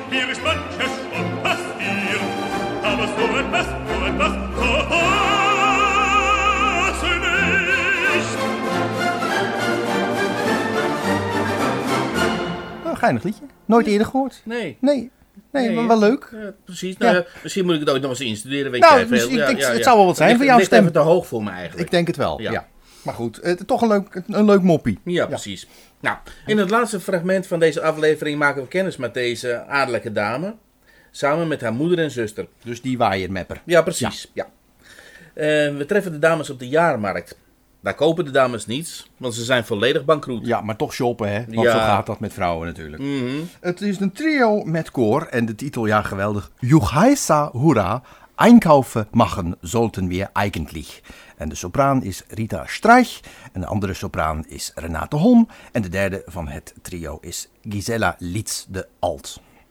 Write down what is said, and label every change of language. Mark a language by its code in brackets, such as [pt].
[de] Mir ist manches schon passiert, aber so etwas, so etwas, so etwas nicht. [nl] Oh, geinig liedje. Nooit eerder gehoord. Nee. Nee. Nee, nee, maar wel leuk. Ja, precies. Nou, ja. Misschien moet ik het ook nog eens instuderen. Nou, het zou wel wat zijn voor jouw stem. Het ligt even te hoog voor me eigenlijk. Ik denk het wel, ja. Maar goed, toch een leuk moppie. Ja, precies. Ja. Nou, in het laatste fragment van deze aflevering maken we kennis met deze adellijke dame. Samen met haar moeder en zuster. Dus die waaiermepper. Ja, precies. Ja. We treffen de dames op de jaarmarkt. Daar kopen de dames niets, want ze zijn volledig bankroet. Ja, maar toch shoppen, hè? Want zo gaat dat met vrouwen natuurlijk. Mm-hmm. Het is een trio met koor en de titel, ja geweldig. [de] Juchheisa hurra, einkaufen machen sollten wir eigentlich. [nl] En de sopraan is Rita Streich en de andere sopraan is Renate Holm. En de derde van het trio is Gisela Litz de Alt.